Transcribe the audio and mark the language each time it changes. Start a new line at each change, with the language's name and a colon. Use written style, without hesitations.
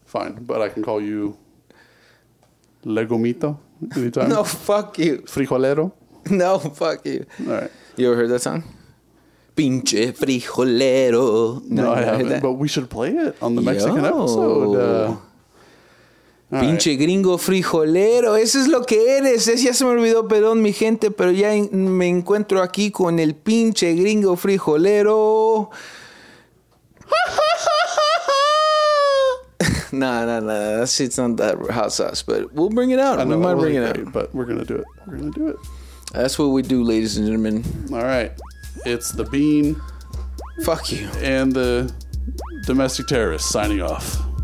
English: Fine, but I can call you Legomito anytime. No, fuck you.
Spanish: Frijolero.
English: No, fuck you. All right. You ever heard that song?
Spanish: Pinche frijolero.
English: No, I haven't, but we should play it on the Mexican episode.
Spanish: Pinche right. Gringo frijolero. Eso es lo que eres. Es, ya se me olvidó, perdón, mi gente, pero ya me encuentro aquí con el pinche gringo frijolero.
English: No, that shit's not that hot sauce, but we'll bring it out. I know, we might bring it out. But we're going to do it. We're going to do it. That's what we do, ladies and gentlemen. All right. It's the bean. Fuck you. And the domestic terrorist signing off.